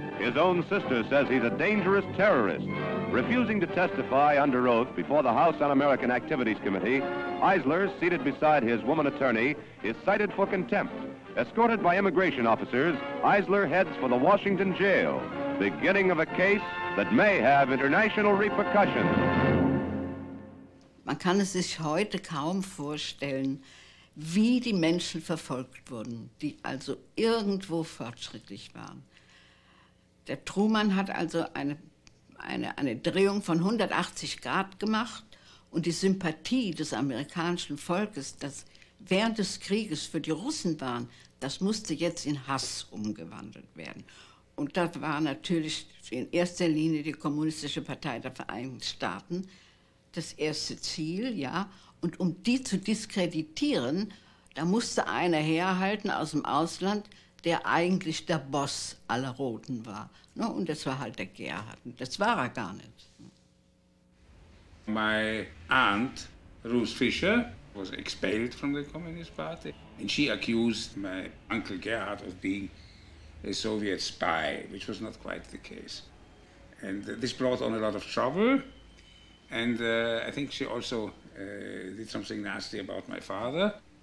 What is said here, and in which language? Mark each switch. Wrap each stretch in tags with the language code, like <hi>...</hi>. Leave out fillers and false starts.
<en>His own sister says he's a dangerous terrorist. Refusing to testify under oath before the House Un-American Activities Committee, Eisler, seated beside his woman attorney, is cited for contempt. Escorted by immigration officers, Eisler heads for the Washington jail, beginning of a case that may have international repercussions.</en> <de>Man kann es sich heute kaum vorstellen, wie die Menschen verfolgt wurden, die also irgendwo fortschrittlich waren. Der Truman hat also eine Drehung von 180 Grad gemacht und die Sympathie des amerikanischen Volkes, das während des Krieges für die Russen waren, das musste jetzt in Hass umgewandelt werden. Und das war natürlich in erster Linie die Kommunistische Partei der Vereinigten Staaten das erste Ziel, ja. Und um die zu diskreditieren, da musste einer herhalten aus dem Ausland, der eigentlich der Boss aller Roten war. Und das war halt der Gerhard. Das war er gar nicht.</de> <en>My aunt, Ruth Fischer, was expelled from the Communist Party. And she accused my Uncle Gerhard of being a Soviet spy, which was not quite the case. And this brought on a lot of trouble. And I think she also did something nasty about my father.</en>